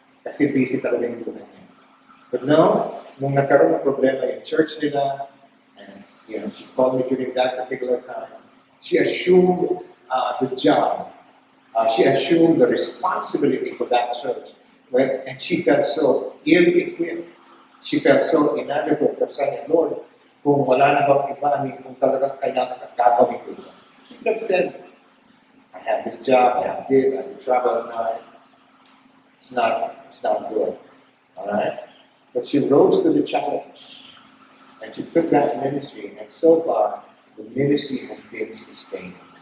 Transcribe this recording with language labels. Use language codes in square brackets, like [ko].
[tl] Kasi busy talaga yung buhay niya. [en] But no, [tl] nung nagkaroon ng problema [en] in church nila, and you know, she called me during that particular time, she assumed the job. She assumed the responsibility for that church, right? And she felt so ill-equipped. She felt so inadequate. [tl] But sa niya, Lord, kung wala na bang iba, kung talagang kailangan ang gagawin ko. [en] She could have said, "I have this job, I have this, I have travel at night. It's not good." Alright? But she rose to the challenge. And she took that ministry, and so far, the ministry has been sustained.